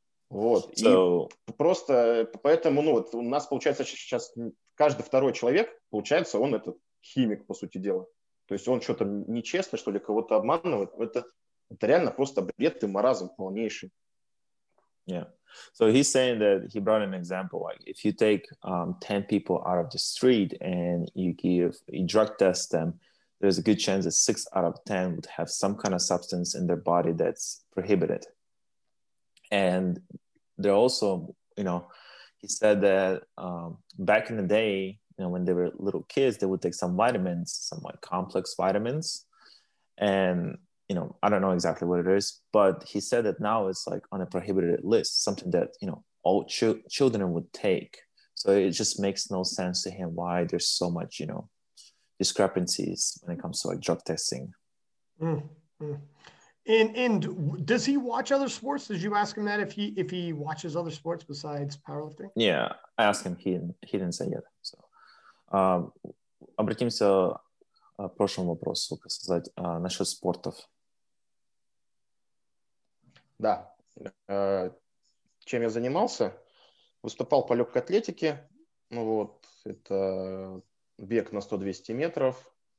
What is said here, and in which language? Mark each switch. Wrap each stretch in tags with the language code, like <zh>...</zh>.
<ru>Вот.</ru> <en>So...</en> <ru>И просто поэтому, ну, вот у нас получается сейчас каждый второй человек, получается, он этот химик, по сути дела. То есть он что-то нечестно, что ли, кого-то обманывает. Это реально просто бред и маразм полнейший.</ru> <en>Yeah. So he's saying that he brought an example, like if you take 10 people out of the street and you drug test them, there's a good chance that 6 out of 10 would have some kind of substance in their body that's prohibited. And they're also, you know, he said that back in the day, you know, when they were little kids, they would take some vitamins, some like complex vitamins. And, you know, I don't know exactly what it is, but he said that now it's like on a prohibited list, something that, you know, all children would take. So it just makes no sense to him why there's so much, you know, discrepancies when it comes to like drug testing. And does he watch other sports? Did you ask him that if he watches other sports besides powerlifting? Yeah, I asked him. He didn't say yet.</en> <ru>So, обратимся к прошлому вопросу, как сказать, насчет спортов. Да. Чем я занимался? Выступал по легкой атлетике. Ну вот, это бег на 100-200 метров.</ru>